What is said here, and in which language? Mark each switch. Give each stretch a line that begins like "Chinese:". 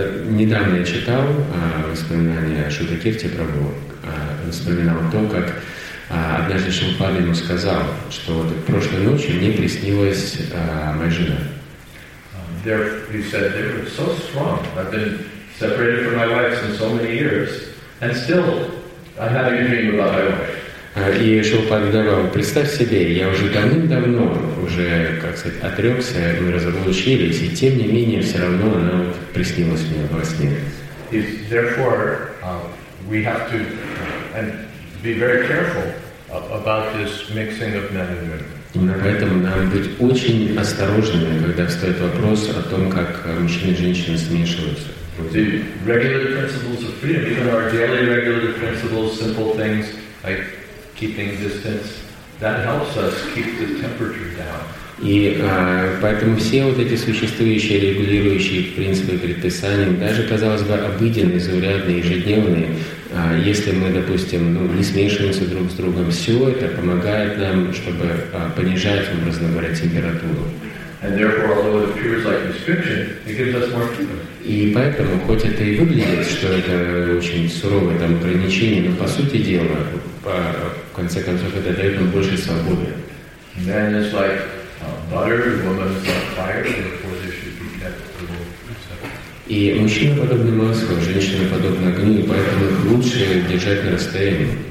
Russian: Недавно я читал воспоминания Шута Кирти Прабху, вспоминал о том, как однажды Шилпад ему сказал, что вот прошлой ночью мне приснилась моя жена.
English: He said, they were so strong. I've been separated from my wife since so many years, and still I had a dream about my wife.
Russian: И Шилпад говорил, представь себе, я уже давным-давно уже, как сказать, отрекся, мы разоблачились, и тем не менее все равно она вот приснилась мне во сне.
English: Therefore, we have to be very careful about this mixing of men and women.
Russian: Именно поэтому надо быть очень осторожными, когда встает вопрос о том, как мужчины и женщины смешиваются.
English: The regular principles of freedom, even our daily regular principles, simple things like keeping distance, that helps us keep the temperature down.
Russian: И поэтому все вот эти существующие регулирующие принципы и предписания, даже, казалось бы, обыденные, заурядные, ежедневные, если мы, допустим, ну, не смешиваемся друг с другом, все это помогает нам, чтобы понижать, образно говоря, температуру.
English: And therefore, although it appears like restriction, it gives us more freedom.
Russian: И поэтому, хоть это и выглядит, что это очень суровое там ограничение, но по сути дела, в конце концов, это дает нам больше свободы.
English: Then it's like butter, the woman's on fire, therefore they should be kept a little separate.
Russian: И мужчина подобно маслу, женщина подобно огню, и поэтому их лучше держать на расстоянии.